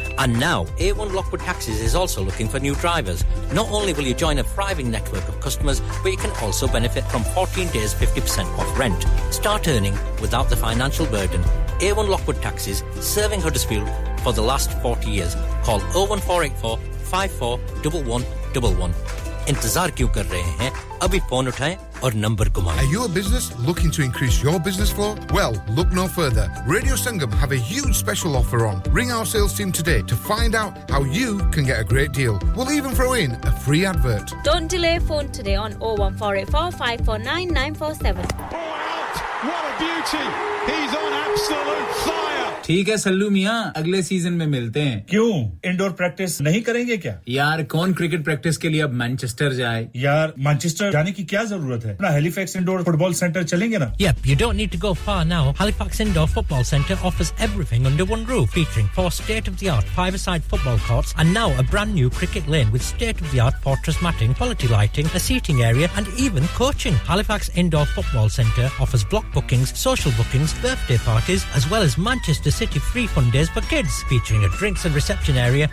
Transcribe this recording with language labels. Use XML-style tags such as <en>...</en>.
<en>And now, A1 Lockwood Taxis is also looking for new drivers. Not only will you join a thriving network of customers, but you can also benefit from 14 days 50% off rent. Start earning without the financial burden. A1 Lockwood Taxis, serving Huddersfield for the last 40 years. Call 01484 541111.</en> <hi>इंतजार क्यों कर रहे हैं अभी phone उठाएं और number घुमाएं</hi> <en>Are you a business looking to increase your business flow? Well, look no further. Radio Sangam have a huge special offer on. Ring our sales team today to find out how you can get a great deal. We'll even throw in a free advert. Don't delay phone today on 01484 549947. Oh, out! What a beauty! He's on absolute fire!</en> <hi>ठीक है सल्लू मियां अगले season में मिलते हैं क्यों indoor practice नहीं करेंगे क्या यार कौन क्रिकेट प्रैक्टिस के लिए अब मैनचेस्टर जाए यार मैनचेस्टर जाने की क्या जरूरत है अपना हैलिफैक्स इंडोर फुटबॉल सेंटर चलेंगे ना</hi> <en>Yup you don't need to go far now Halifax indoor football centre offers everything under one roof featuring four state of the art five side football courts and now a brand new cricket lane with state of the art fortress matting quality lighting a seating area and even coaching Halifax indoor football centre offers block bookings social bookings birthday parties as well as Manchester City Free Fun Days for Kids, featuring a drinks and reception area.</en>